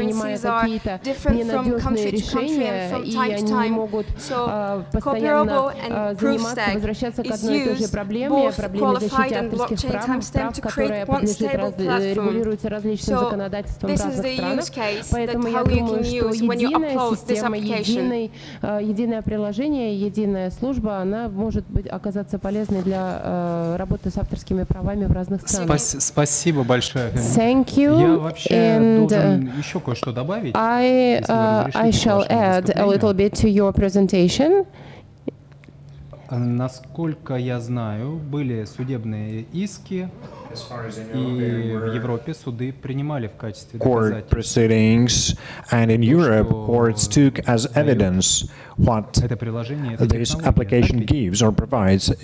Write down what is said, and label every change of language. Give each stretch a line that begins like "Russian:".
English: Are different from country to country and from time to time. So CopyRobo and ProofStack is used both qualified and blockchain timestamp to create one stable platform. So this is the use case that how you can use when you upload this application.
Russian: Единое приложение, единая служба, она может быть оказаться полезной для работы с авторскими правами в разных странах. Спасибо большое.
English: Thank you.
Russian: Я вообще должен еще кое-что добавить.
English: I shall add a little bit to your presentation.
Russian: Насколько я знаю, были судебные иски, и в Европе суды принимали в качестве
English: court proceedings, and in Europe courts took as evidence what this application gives or provides.